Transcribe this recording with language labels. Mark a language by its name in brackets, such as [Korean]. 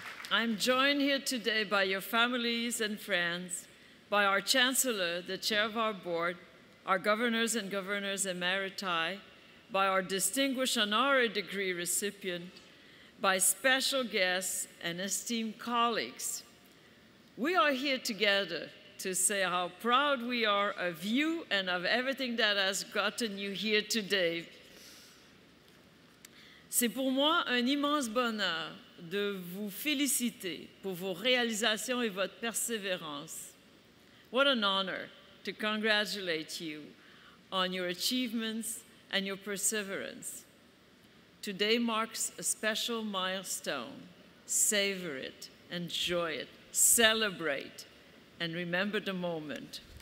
[English] I'm joined here today by your families and friends, by our chancellor, the chair of our board, our governors and governors emeriti, by our distinguished honorary degree recipient, by special guests and esteemed colleagues. We are here together to say how proud we are of you and of everything that has gotten you here today. [French] C'est pour moi un immense bonheur de vous féliciter pour vos réalisations et votre persévérance. [English] What an honor to congratulate you on your achievements and your perseverance. Today marks a special milestone. Savor it, enjoy it, celebrate, and remember the moment.